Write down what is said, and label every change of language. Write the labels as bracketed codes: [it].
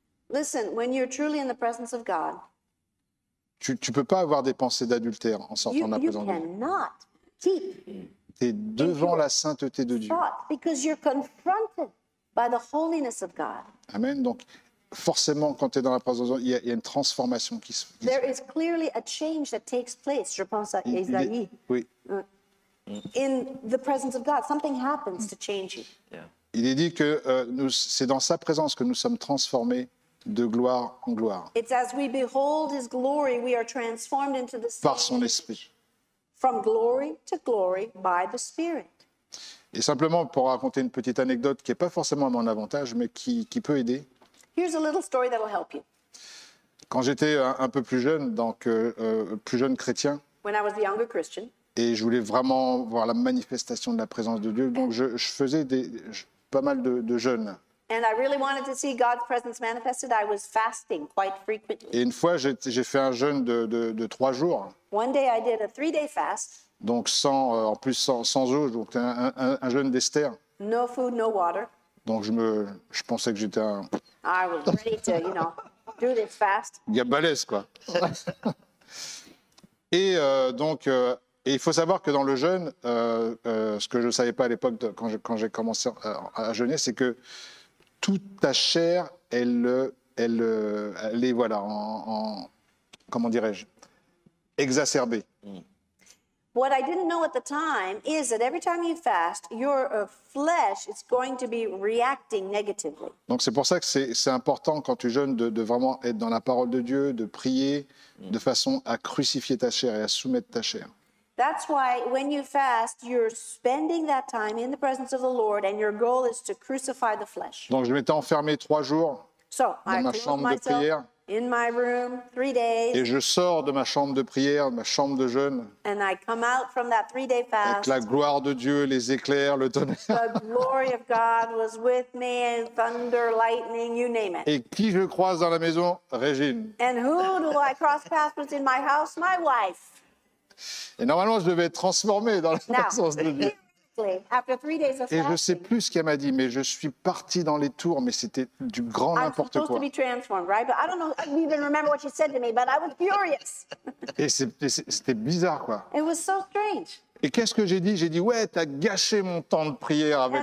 [en] Listen, when you're truly in the presence of God. [fr] Tu peux pas avoir des pensées d'adultère en sortant de la présence de Dieu. Tu es devant la sainteté de Dieu. [en] Because you're confronted by the holiness of God. Amen. [fr] Donc, forcément, quand tu es dans la présence de Dieu, il y a une transformation qui se fait. [en] There is clearly a change that takes place, [fr] je pense à Esaïe. Oui. [en] In the presence of God, something happens to change you. Yeah. [fr] Il est dit que c'est dans sa présence que nous sommes transformés de gloire en gloire. [en] It's as we behold his glory, we are transformed into the same [fr] par son esprit. [en] From glory to glory by the Spirit. [fr] Et simplement pour raconter une petite anecdote qui n'est pas forcément à mon avantage, mais qui peut aider. [en] Here's a little story that will help you. [fr] Quand j'étais un peu plus jeune, donc plus jeune chrétien, [en] when I was the younger Christian, [fr] et je voulais vraiment voir la manifestation de la présence de Dieu, donc je faisais pas mal de jeûnes. [en] And I really wanted to see God's presence manifested. I was fasting quite frequently. [fr] Et une fois, j'ai fait un jeûne de 3 jours. [en] One day I did a 3-day fast. [fr] Donc sans eau, donc un jeûne d'Esther. [en] No food, no water. [fr] Donc je pensais que j'étais un... [en] I was ready to, you know, do this fast. [fr] Il y a balèze, quoi. Et il faut savoir que dans le jeûne, ce que je ne savais pas à l'époque quand j'ai commencé à jeûner, c'est que toute ta chair, elle est, voilà, comment dirais-je, exacerbée. [en] What I didn't know at the time is that every time you fast, your flesh is going to be reacting negatively. [fr] Donc c'est pour ça que c'est important quand tu jeûnes de vraiment être dans la parole de Dieu, de prier de façon à crucifier ta chair et à soumettre ta chair. [en] That's why when you fast, you're spending that time in the presence of the Lord and your goal is to crucify the flesh. [fr] Donc je m'étais enfermé 3 jours dans ma chambre de prière. [en] In my room, 3 days. [fr] Et je sors de ma chambre de prière, ma chambre de jeûne. [en] And I come out from that 3-day fast. [fr] Avec la gloire de Dieu, les éclairs, le tonnerre. [en] The glory of God was with me and thunder, lightning, you name it. [fr] Et qui je croise dans la maison? Régine. [en] And who do I cross paths with in my house? My wife. [fr] Et normalement, je devais être transformé dans la présence de Dieu. Et je ne sais plus ce qu'elle m'a dit, mais je suis parti dans les tours, mais c'était du grand n'importe quoi. [en] I'm supposed to be transformed, right? But I don't even remember what she said to me, but I was furious. [fr] Et c'était bizarre, quoi. [en] It was so strange. [fr] Et qu'est-ce que j'ai dit? J'ai dit, ouais, t'as gâché mon temps de prière avec